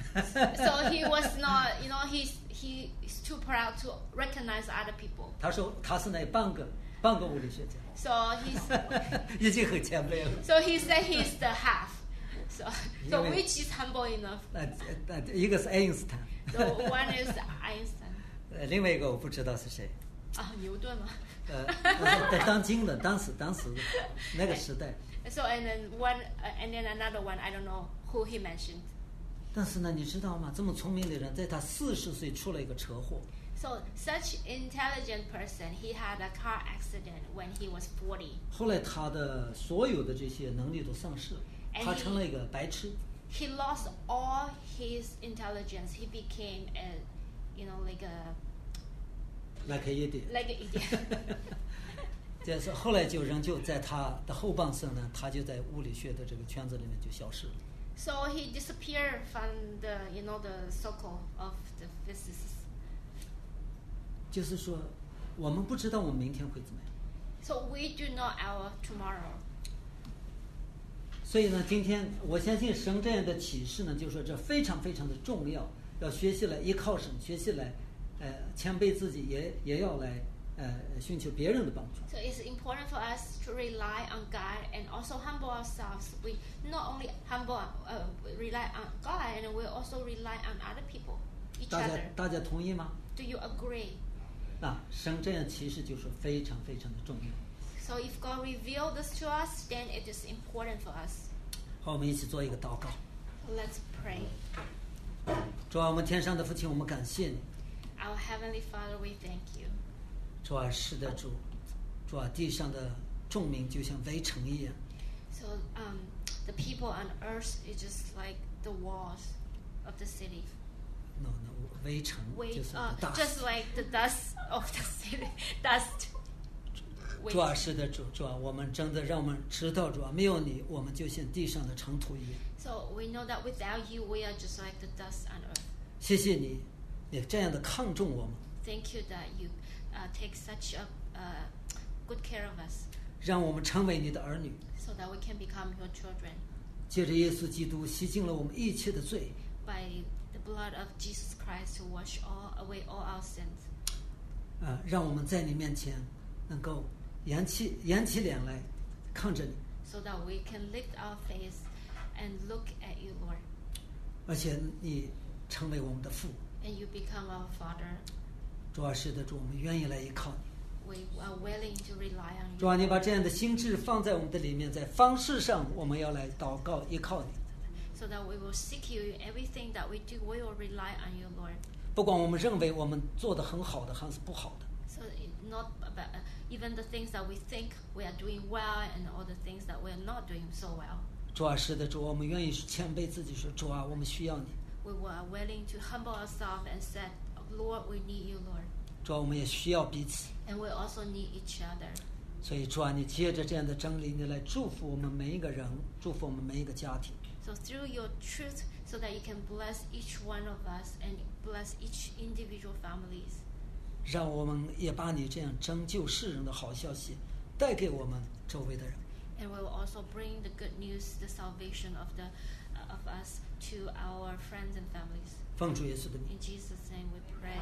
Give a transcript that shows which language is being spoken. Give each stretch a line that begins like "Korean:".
English: So he was not, you know, he's too proud to recognize other people.
Chinese: 他说他是那半个物理学家。
English: So he's
Chinese: 已经很谦卑了。
English: So he said he's the half. So which is humble enough?
Chinese: 那一个是爱因斯坦。
English: So one is Einstein.
Chinese: 另外一个我不知道是谁。啊，牛顿吗？当时那个时代。
English: So and then another one, I don't know who he mentioned.
Chinese: 但是呢，你知道吗？这么聪明的人，在他40岁出了一个车祸。
English: So such intelligent person, he had a car accident when he was 40.
Chinese: 后来他的所有的这些能力都丧失了，他成了一个白痴。
English: He lost all his intelligence. He became a, you know, like an idiot. Like an idiot.
Chinese: 就是后来就人就在他的后半生呢，他就在物理学的这个圈子里面就消失了。
English: So he disappeared from the, you know, the circle of the physicists.
Chinese: 就是说，我们不知道我们明天会怎么样。
English: So we do not know our tomorrow.
Chinese: 所以呢，今天我相信神这样的启示呢，就是说这非常非常的重要，要学习来依靠神，学习来，谦卑自己，也要来，寻求别人的帮助。
English: So it's important for us to rely on God and also humble ourselves. We not only humble, rely on God, and we also rely on other people, each other.
Chinese: 大家同意吗
English: ？Do you agree？
Chinese: 那神这样启示就是非常非常的重要。
English: So if God revealed this to us, then it is important for us.
Chinese: 好，我们一起做一个祷告。
English: Let's pray.
Chinese: 主啊，我们天上的父亲，我们感谢你。
English: Our heavenly Father, we thank you.
Chinese: 主啊，是的，主，主啊，地上的众民就像围城一样。
English: So, the people on earth is just like the walls of the city. No,
Chinese: 围城就是
English: dust. Just like the dust of the city, dust.
Chinese: 主啊，是的，主，主啊，我们真的让我们知道，主啊，没有你，我们就像地上的尘土一样。
English: So we know that without you, we are just like the dust on earth.
Chinese: 谢谢你。也这样的看重我们。
English: Thank you that you take such a good care of us.
Chinese: 让我们成为你的儿女。
English: So that we can become your children.
Chinese: 借着耶稣基督洗净了我们一切的罪。
English: By the blood of Jesus Christ to wash all away all our sins.
Chinese: 让我们在你面前能够扬起脸来看着你。
English: So that we can lift our face and look at you, Lord.
Chinese: 而且你成为我们的父。
English: And you become our Father.
Chinese: 主啊，是的，主，我们愿意来依靠你。
English: We are willing to rely on you.
Chinese: 主啊，你把这样的心智放在我们的里面，在方式上，我们要来祷告依靠你。
English: So that we will seek you. Everything that we do, we will rely on you, Lord.
Chinese: 不管我们认为我们做得很好的还是不好的。
English: So not about, even the things that we think we are doing well and all the things that we are not doing so well.
Chinese: 主啊，是的，主，我们愿意谦卑自己，说，主啊，我们需要你。
English: We were willing to humble ourselves and said, "Lord, we need you, Lord."
Chinese: 主啊，我们也需要彼此。
English: And we also need each other.
Chinese: 所以主啊，你借着这样的真理，你来祝福我们每一个人，祝福我们每一个家庭。
English: So through your truth, so that you can bless each one of us and bless each individual families.
Chinese: 让我们也把你这样拯救世人的好消息带给我们周围的人。
English: And we will also bring the good news, the salvation of the of us. To our friends and families. In Jesus' name we pray.